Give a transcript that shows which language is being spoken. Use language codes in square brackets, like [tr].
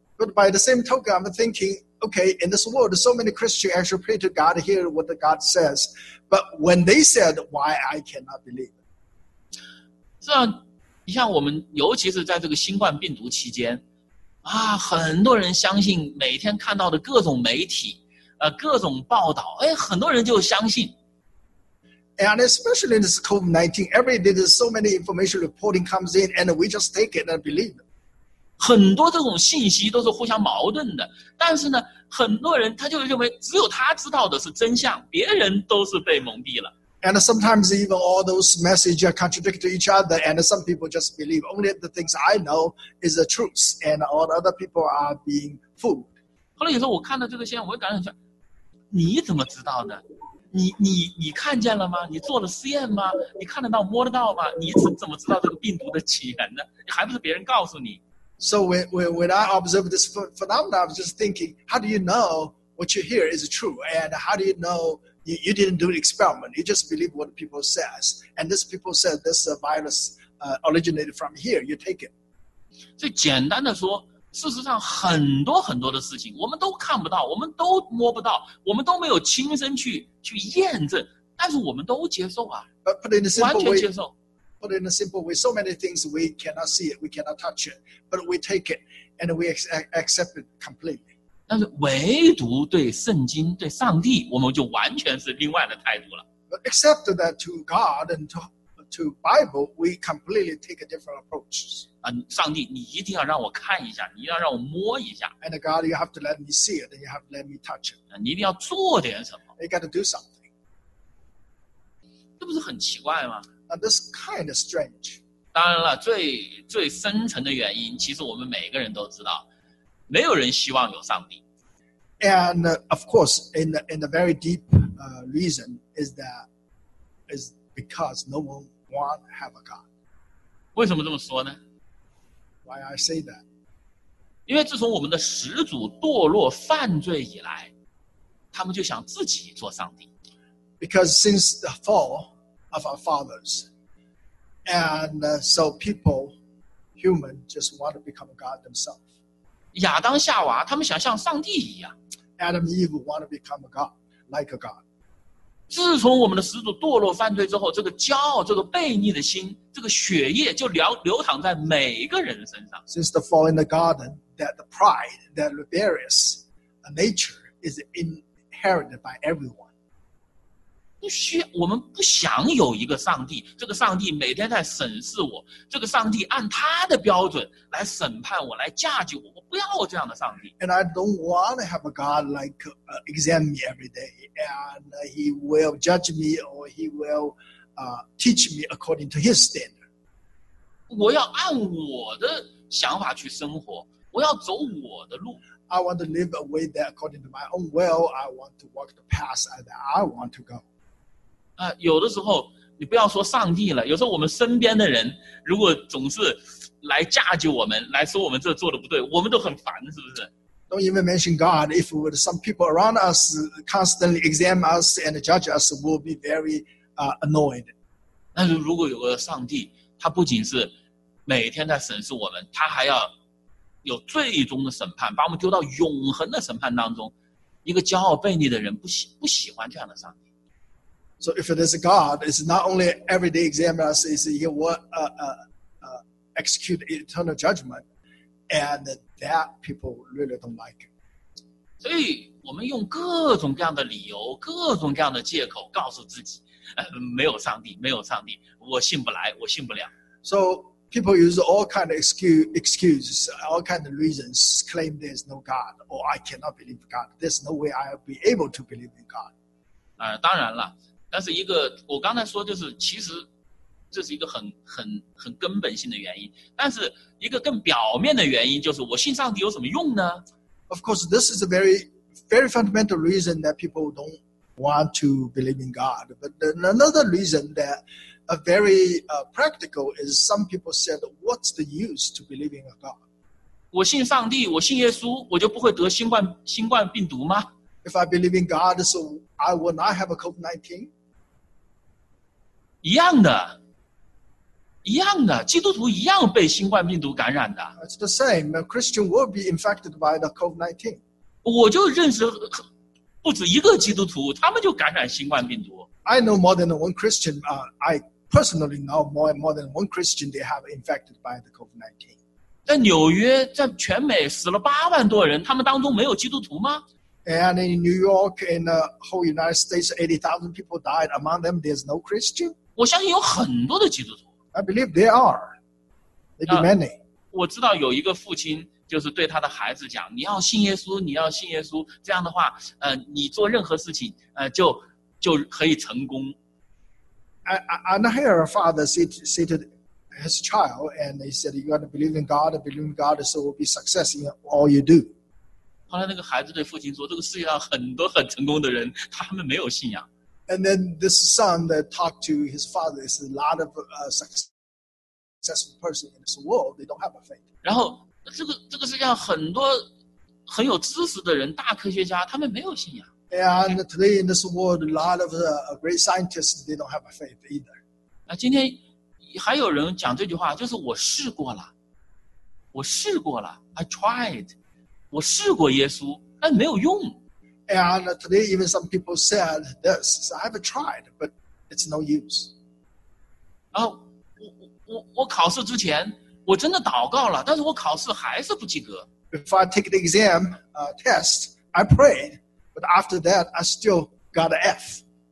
[en] But by the same token, I'm thinking, okay, in this world, so many Christians actually pray to God, hear what the God says. But when they said, why I cannot believe? [zh] 是啊，你像我们，尤其是在这个新冠病毒期间，啊，很多人相信每天看到的各种媒体，各种报道，哎，很多人就相信。 [en] And especially in this COVID-19, every day there's so many information reporting comes in, and we just take it and believe it. [zh] 很多这种信息都是互相矛盾的，但是呢，很多人他就认为只有他知道的是真相，别人都是被蒙蔽了。 [en] And sometimes even all those messages contradict to each other, and some people just believe only the things I know is the truth, and all the other people are being fooled. [zh] 后来有时候我看到这个现象，我会感觉，你怎么知道的？你看见了吗？你做了试验吗？你看得到摸得到吗？你怎么知道这个病毒的起源呢？还不是别人告诉你。 [en] So when I observe this phenomenon, I was just thinking, how do you know what you hear is true? And how do you know you didn't do an experiment? You just believe what people says. And this people said this virus originated from here. You take it. [zh] 所以简单的说，事实上很多很多的事情我们都看不到，我们都摸不到，我们都没有亲身去验证，但是我们都接受啊，完全接受。 [en] But in a simple way, so many things we cannot see it, we cannot touch it, but we take it and we accept it completely. [zh] 但是唯独对圣经、对上帝，我们就完全是另外的态度了。 [en] Except that to God and to Bible, we completely take a different approach. [zh] 上帝，你一定要让我看一下，你要让我摸一下。 [en] And God, you have to let me see it, and you have to let me touch it. [zh] 你一定要做点什么。 [en] You got to do something. [zh] 这不是很奇怪吗？ [en] And this kind of strange. [zh] 当然了，最深层的原因，其实我们每个人都知道，没有人希望有上帝。 [en] And of course, in the very deep reason is because no one want have a God. [zh] 为什么这么说呢 [en] ？Why I say that? [zh] 因为自从我们的始祖堕落犯罪以来，他们就想自己做上帝。 [en] Because since the fall of our fathers. And so people, human, just want to become a God themselves. [zh] 亚当夏娃他们想像上帝一样。 [en] Adam and Eve want to become a God, like a God. [zh] 自从我们的始祖堕落犯罪之后，这个骄傲，这个悖逆的心，这个血液就流淌在每个人身上。 [en] Since the fall in the garden, that the pride, that rebellious nature is inherited by everyone. [zh] 我们不想有一个上帝，这个上帝每天在审视我，这个上帝按他的标准来审判我，来驾驭我，我不要我这样的上帝。 [en] And I don't want to have a God like examine me every day, and he will judge me or he will teach me according to his standard. [zh] 我要按我的想法去生活，我要走我的路。 [en] I want to live a way that according to my own will, I want to walk the path that I want to go. [zh] 有的时候你不要说上帝了，有时候我们身边的人如果总是来架起我们，来说我们这做的不对，我们都很烦，是不是？ [en] Don't even mention God. If some people around us constantly examine us and judge us, we'll be very annoyed. [zh] 但是如果有个上帝，他不仅是每天在审视我们，他还要有最终的审判，把我们丢到永恒的审判当中，一个骄傲悖逆的人不喜欢这样的上帝。 [en] So if it is God, it's not only everyday examine us, it's he will execute eternal judgment, and that people really don't like it. [zh] 所以我们用各种各样的理由，各种各样的借口告诉自己，没有上帝，没有上帝，我信不来，我信不了。 [en] So people use all kind of excuses, all kind of reasons, claim there's no God, or I cannot believe God. There's no way I'll be able to believe in God. [zh] 当然了。但是一个我刚才说就是其实这是一个很根本性的原因，但是一个更表面的原因就是我信上帝有什么用呢？ [en] Of course, this is a very, very fundamental reason that people don't want to believe in God. But then another reason that a very practical is some people said, what's the use to believe in a God? [zh] 我信上帝，我信耶稣，我就不会得新冠病毒吗？ [en] If I believe in God, so I will not have a COVID-19? [zh] 一样的，一样的，基督徒一样被新冠病毒感染的。 [en] It's the same. A Christian will be infected by the COVID-19. [zh] 我就认识不止一个基督徒，他们就感染新冠病毒。 [en] I know more than one Christian. I personally know more than one Christian. They have infected by the COVID-19. [zh] 在纽约，在全美死了80,000多人，他们当中没有基督徒吗 [en] ？And in New York, in the whole United States, 80,000 people died. Among them, there's no Christian. [zh] 我相信有很多的基督徒。 [en] I believe there are, maybe many. [zh] 我知道有一个父亲，就是对他的孩子讲：“你要信耶稣，你要信耶稣。这样的话，你做任何事情，就可以成功。 [en] ”I hear a father say to his child, and he said, you got to believe in God, so it will be success in all you do. [zh] 后来那个孩子对父亲说，这个世界上很多很成功的人，他们没有信仰。 [en] And then this son that talked to his father, is a lot of successful person in this world, they don't have a faith. [zh] 然后这个世界上很多很有知识的人，大科学家，他们没有信仰。 [en] And today in this world, a lot of great scientists, they don't have a faith either. [zh] 那今天还有人讲这句话，就是我试过了，我试过了 ， [en] I tried， [zh] 我试过耶稣，但没有用。 [en] And today even some people said this: I have tried, but it's no use. [zh] 然后我考试之前我真的祷告了，但是我考试还是不及格。 [en] If I take the exam, test, I prayed, but after that I still got an F.